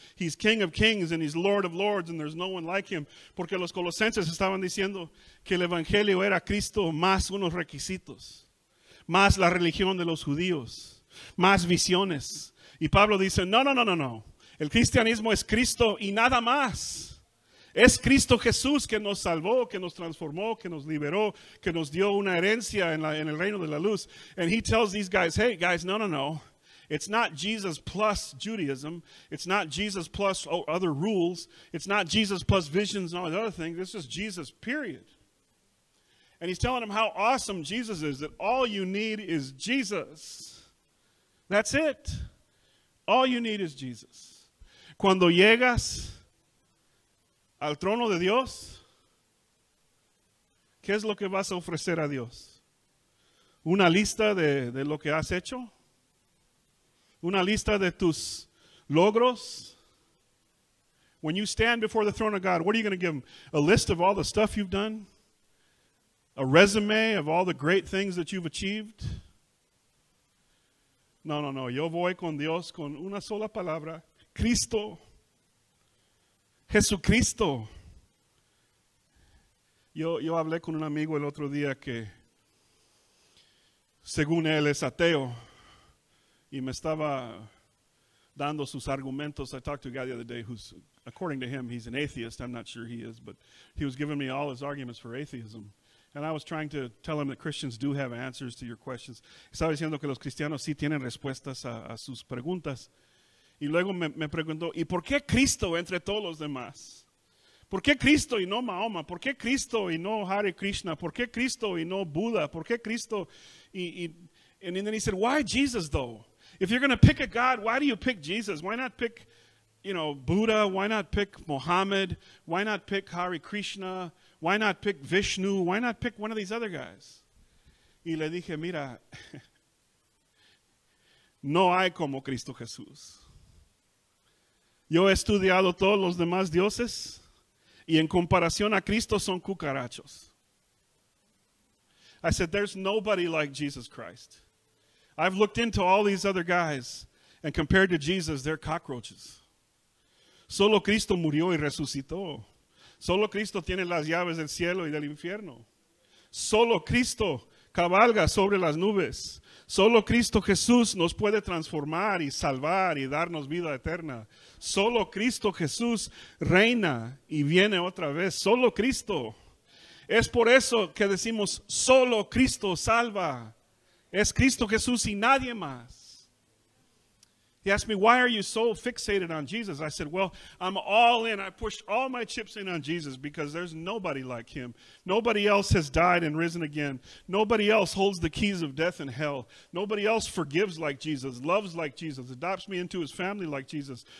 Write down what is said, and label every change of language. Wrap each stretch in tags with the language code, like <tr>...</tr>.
<en>He's King of Kings and he's Lord of Lords and there's no one like him.</en> <es>Porque los colosenses estaban diciendo que el Evangelio era Cristo más unos requisitos, más la religión de los judíos, más visiones. Y Pablo dice, no. El cristianismo es Cristo y nada más. Es Cristo Jesús que nos salvó, que nos transformó, que nos liberó, que nos dio una herencia en el reino de la luz.</es> <en>And he tells these guys, hey guys, no. It's not Jesus plus Judaism. It's not Jesus plus other rules. It's not Jesus plus visions and all the other things. It's just Jesus, period. And he's telling them how awesome Jesus is, that all you need is Jesus. That's it. All you need is Jesus.</en> <es>Cuando llegas al trono de Dios, ¿qué es lo que vas a ofrecer a Dios? ¿Una lista de lo que has hecho? ¿Una lista de tus logros?</es> <en>When you stand before the throne of God, what are you going to give him? A list of all the stuff you've done? A resume of all the great things that you've achieved? No.</en> <es>Yo voy con Dios con una sola palabra. Cristo. Jesucristo. Yo hablé con un amigo el otro día que, según él, es ateo. Y me estaba dando sus argumentos.</es> <en>I talked to a guy the other day who's, according to him, he's an atheist. I'm not sure he is, but he was giving me all his arguments for atheism. And I was trying to tell him that Christians do have answers to your questions.</en> <es>Estaba diciendo que los cristianos sí tienen respuestas a sus preguntas. Y luego me preguntó, ¿y por qué Cristo entre todos los demás? ¿Por qué Cristo y no Mahoma? ¿Por qué Cristo y no Hare Krishna? ¿Por qué Cristo y no Buda? ¿Por qué Cristo?</es> <en>And then he said, why Jesus though? If you're going to pick a God, why do you pick Jesus? Why not pick, you know, Buddha? Why not pick Muhammad? Why not pick Hare Krishna? Why not pick Vishnu? Why not pick one of these other guys?</en> <es>Y le dije, mira, no hay como Cristo Jesús. Yo he estudiado todos los demás dioses y en comparación a Cristo son cucarachos.</es> <en>I said, there's nobody like Jesus Christ. I've looked into all these other guys and compared to Jesus, they're cockroaches.</en> <es>Solo Cristo murió y resucitó. Solo Cristo tiene las llaves del cielo y del infierno. Solo Cristo cabalga sobre las nubes. Solo Cristo Jesús nos puede transformar y salvar y darnos vida eterna. Solo Cristo Jesús reina y viene otra vez. Solo Cristo. Es por eso que decimos, solo Cristo salva. Es Cristo Jesús y nadie más.</es> <en>He asked me, why are you so fixated on Jesus? I said, well, I'm all in. I pushed all my chips in on Jesus because there's nobody like him. Nobody else has died and risen again. Nobody else holds the keys of death and hell. Nobody else forgives like Jesus, loves like Jesus, adopts me into his family like Jesus.</en>